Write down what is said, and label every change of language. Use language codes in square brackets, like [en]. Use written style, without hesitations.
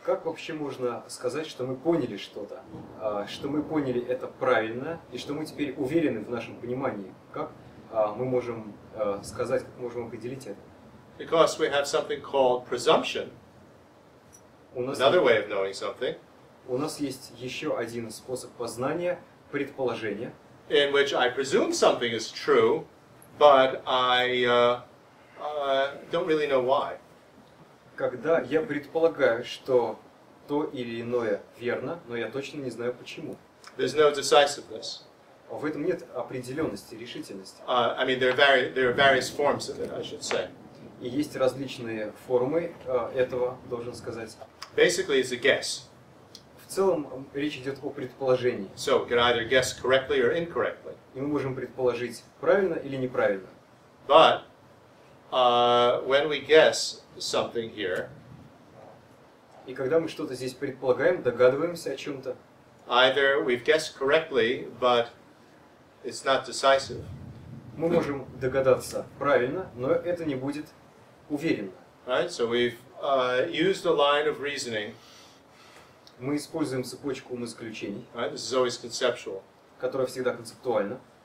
[ru] Как вообще можно сказать, что мы поняли что-то? Что мы поняли это правильно, и что мы теперь уверены в нашем понимании? Как мы можем сказать, как можем определить это? [en] Because we have something called presumption. Another way of knowing something. [ru] у нас есть еще один способ познания — предположение. [en] In which I presume something is true, but I don't really know why. [ru] Когда я предполагаю, что то или иное верно, но я точно не знаю почему. [en] There's no decisiveness. [ru] В этом нет определенности, решительности. [en] I mean, there are various forms of it, I should say. [ru] И есть различные формы этого, должен сказать. [en] Basically, it's a guess. [ru] В целом, речь идет о предположении. [en] So, we can either guess correctly or incorrectly. [ru] И мы можем предположить правильно или неправильно. [en] But, when we guess something here, [ru] и когда мы что-то здесь предполагаем, догадываемся о чем-то, [en] either we've guessed correctly, but it's not decisive. [ru] Мы можем догадаться правильно, но это не будет уверенно. [en] Right, so we've used a line of reasoning. [ru] Мы используем цепочку ум исключений. [en] Right, this is always conceptual. [ru] Которая всегда концептуальна.